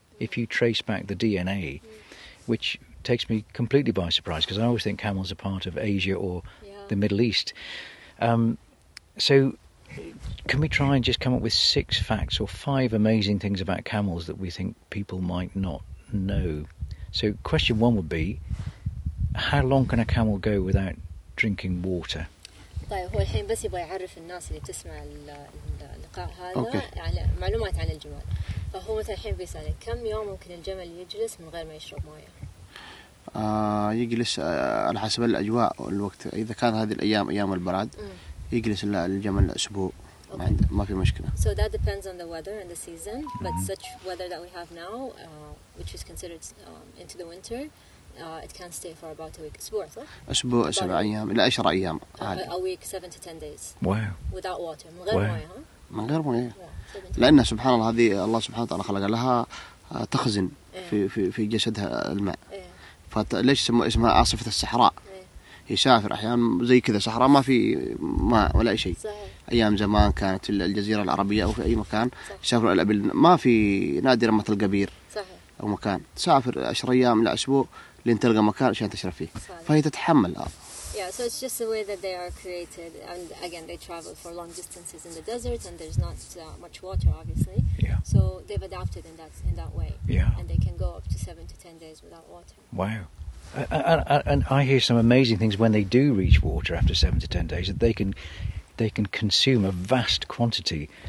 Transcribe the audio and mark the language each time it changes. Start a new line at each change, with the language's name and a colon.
English: If you trace back the DNA, which takes me completely by surprise, because I always think camels are part of Asia or the Middle East. So can we try and just come up with six facts or five amazing things about camels that we think people might not know? So question one would be, how long can a camel go without drinking water?
Arabic: طيب هو الحين بس يبغى يعرف الناس اللي تسمع اللقاء هذا على معلومات عن الجمال. فهو مثلا الحين بيسألك كم يوم ممكن الجمل يجلس من غير ما يشرب موية؟ يجلس على حسب الأجواء والوقت. إذا كان هذه الأيام أيام البراد يجلس الجمل أسبوع ما في مشكلة.
English: So that depends on the weather and the season, but such weather that we have now, which is considered into the winter, it can stay for about a week.
Arabic: أسبوع صح؟ أسبوع سبع أيام إلى 10 أيام.
English: A week 7 to 10 days. Wow. Without water,
Arabic: من غير موية. من غير موية. لأن سبحان الله هذه الله سبحانه وتعالى خلق لها تخزن في جسدها الماء. فليش اسمها عاصفة الصحراء؟ هي سافر أحيانا زي كذا صحراء ما في ماء ولا أي شيء. أيام زمان كانت الجزيرة العربية أو في أي مكان سافر الأبل ما في نادر ما تلقى بير أو مكان سافر 10 أيام إلى أسبوع لين تلقى مكان عشان تشرب فيه. فهي تتحمل.
English: Yeah, so it's just the way that they are created, and again, they travel for long distances in the desert, and there's not much water, obviously. Yeah. So they've adapted in that way. Yeah. And they can go up to 7 to 10 days without water. Wow. And I hear some amazing things when they do reach water after 7 to 10 days that they can consume a vast quantity.